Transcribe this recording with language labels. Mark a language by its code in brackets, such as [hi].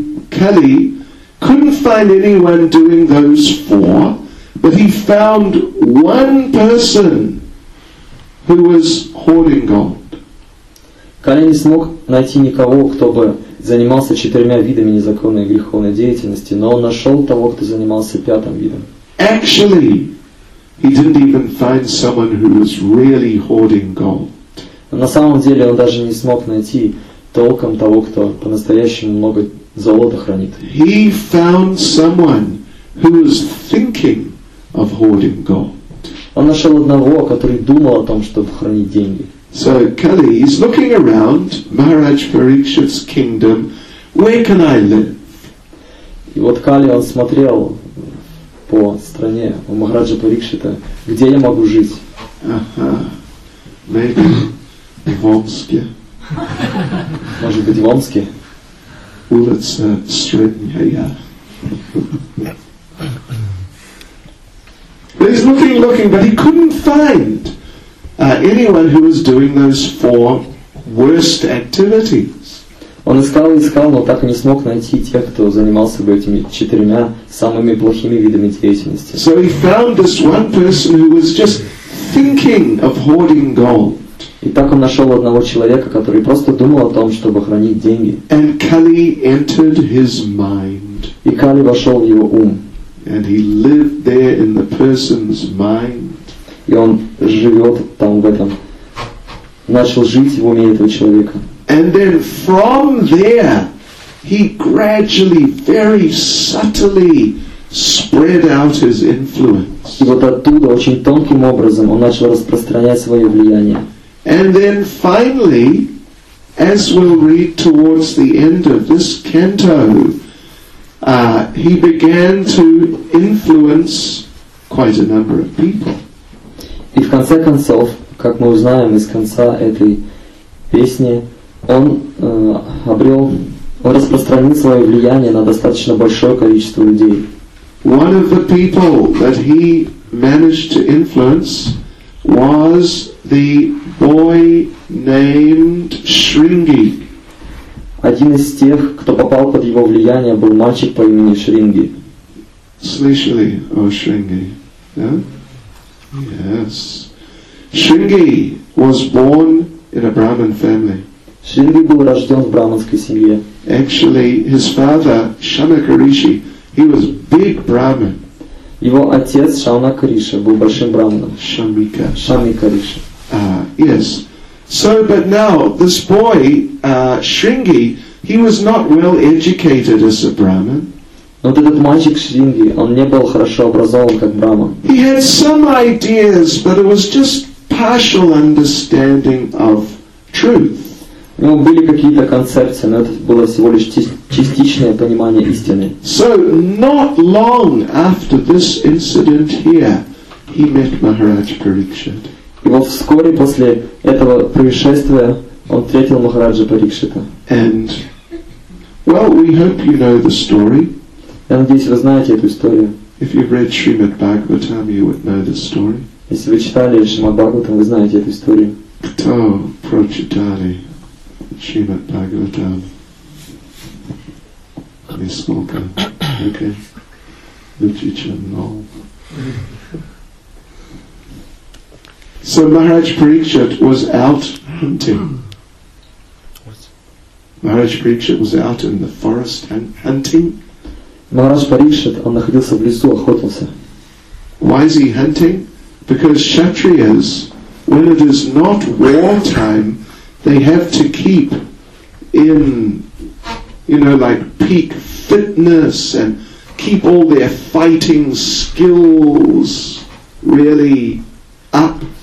[en] Kali couldn't find anyone doing those four, but he found one person who was hoarding gold. [ru] Кали не смог найти никого, кто бы занимался четырьмя видами незаконной и греховной деятельности, но он нашел того, кто занимался пятым видом. [en] Actually, he didn't even find someone who was really hoarding gold. [ru] На самом деле он даже не смог найти толком того, кто по-настоящему много золота хранит. [en] He found someone who was thinking of hoarding gold. [ru] Он нашел одного, который думал о том, чтобы хранить деньги. [en] So Kali is looking around Maharaj Parikshit's kingdom. Where can I live? [ru] И вот Кали он смотрел по стране у Махараджа Парикшита, где я могу жить? Ага. [en] Maybe [ru] в Омске. Может быть, в Омске? Улица Средняя. [en] He's looking, but he couldn't find anyone who was doing those four worst activities. [ru] Он искал, но так и не смог найти тех, кто занимался бы этими четырьмя самыми плохими видами деятельности. [en] So he found this one person who was just thinking of hoarding gold. [ru] И так он нашел одного человека, который просто думал о том, чтобы хранить деньги. [en] And Kali entered his mind. [ru] И Кали вошел в его ум. [en] And he lived there in the person's mind. [ru] И он живет там в этом. Начал жить в уме этого человека. [en] And then from there, he gradually, very subtly, spread out his influence. [ru] И вот оттуда, очень тонким образом, он начал распространять свое влияние. [en] And then finally, as we'll read towards the end of this canto, he began to influence quite a number of people. [ru] И в конце концов, как мы узнаем из конца этой песни, он обрел, он распространил свое влияние на достаточно большое количество людей. [en] One of the people that he managed to influence was the boy named Шринги. [ru] Один из тех, кто попал под его влияние, был мальчик по имени Шринги. Слышали о Шринги? [en] Yeah? Yes. Шринги was born in a Brahmin family. [ru] Шринги был рожден в брахманской семье. [en] Actually, his father, Shanaka Rishi, he was big Brahmin. [ru] Его отец Шанака Риши был большим брахманом. Шамика. Шамика Риши. [en] Yes. So, but now this boy, Шринги, he was not well educated as a brahmin. [ru] Но этот мальчик Шринги, он не был хорошо образован как брахман. [en] He had some ideas, but it was just partial understanding of truth. [ru] У него были какие-то концепции, но это было всего лишь частичное понимание истины. [en] So not long after this incident here, he met Maharaj Parikshit. [ru] Но вскоре после этого происшествия он встретил Махараджа Парикшита. [en] And well, we hope you know the story. [ru] Я надеюсь, вы знаете эту историю. [en] If you've read Srimad Bhagavatam, you would know the story. [ru] Если вы читали Шримад Бхагаватам, вы знаете эту историю. Кто прочитал Шримад Бхагаватам? Несколько. Окей. Лучше, чем нол. [en] So Maharaj Parikshit was out hunting. Maharaj Parikshit was out in the forest and hunting. [ru] Maharaj Parikshit, он находился в лесу, охотился. [en] Why is he hunting? Because Kshatriyas, when it is not war time, they have to keep in, you know, like peak fitness and keep all their fighting skills really up.